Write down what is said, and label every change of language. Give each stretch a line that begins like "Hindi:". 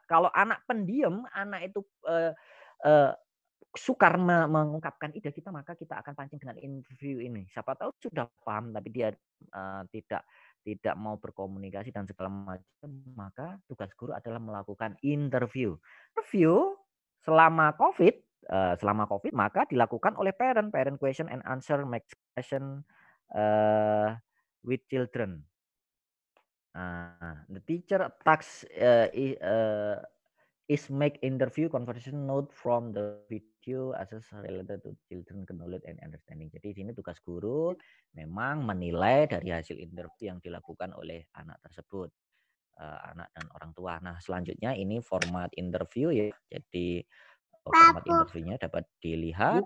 Indonesian: Kalau anak pendiam, anak itu sukar mengungkapkan ide kita, maka kita akan pancing dengan interview ini. Siapa tahu sudah paham, tapi dia tidak mau berkomunikasi dan segala macam, maka tugas guru adalah melakukan interview. Review selama COVID, maka dilakukan oleh parent.
English: Parent question and answer, make question with children. The teacher talks is make interview conversation note from the video as related to children knowledge and understanding.
Indonesian: Jadi di sini tugas guru memang menilai dari hasil interview yang dilakukan oleh anak tersebut, anak dan orang tua. Nah, selanjutnya ini format interview ya. Jadi format interviewnya dapat dilihat.